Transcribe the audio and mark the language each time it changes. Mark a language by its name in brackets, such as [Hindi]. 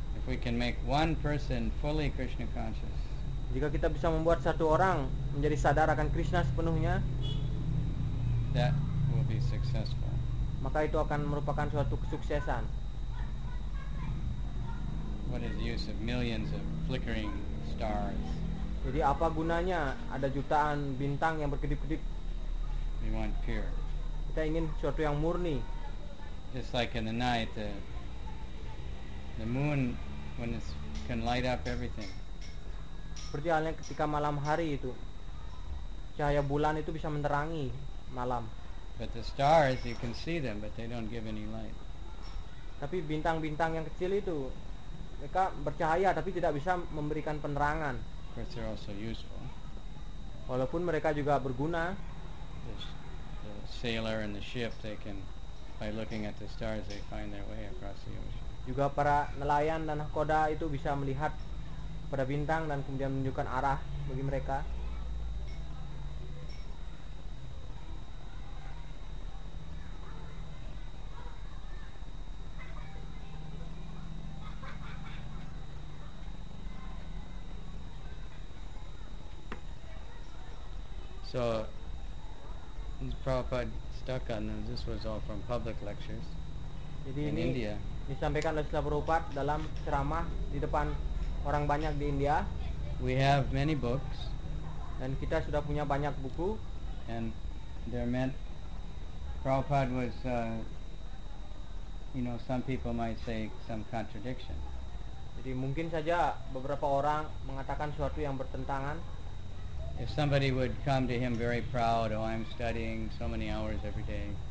[English] If we can make one person fully Krishna conscious, [Indonesian] jika kita bisa membuat satu orang menjadi sadar akan Krishna sepenuhnya, [English] that will be successful. [Indonesian] Maka itu akan merupakan suatu kesuksesan. [English] What is the use of millions of flickering stars? [Indonesian] Jadi apa gunanya ada jutaan bintang yang berkedip-kedip? [English] We want pure. [Indonesian] Kita ingin suatu yang murni. [English] Just like in the night, The moon when it can light up everything. [Indonesian] Seperti halnya ketika malam hari itu, cahaya bulan itu bisa menerangi malam. [English] But the stars, you can see them, but they don't give any light. [Indonesian] Tapi bintang-bintang yang kecil itu, mereka bercahaya tapi tidak bisa memberikan penerangan. [English] Of course, they're also useful. [Indonesian] Walaupun mereka juga berguna. [English] The sailor and the ship, they can, by looking at the stars, they find their way across the ocean. [Indonesian] Juga para nelayan dan nahkoda itu bisa melihat pada bintang dan kemudian menunjukkan arah bagi mereka. [English] So Prabhupada stuck on them. This was all from public lectures. [Indonesian] Jadi [English] in India. [Indonesian] Disampaikan oleh Srila Prabhupada dalam ceramah di depan orang banyak di India. [English] We have many books. [Indonesian] Dan kita sudah punya banyak buku. [English] And they're meant. Prabhupada was, you know, some people might say some contradiction. [Indonesian] Jadi mungkin saja beberapa orang mengatakan sesuatu yang bertentangan. [English] If somebody would come to him very proud, oh, I'm studying so many hours every day.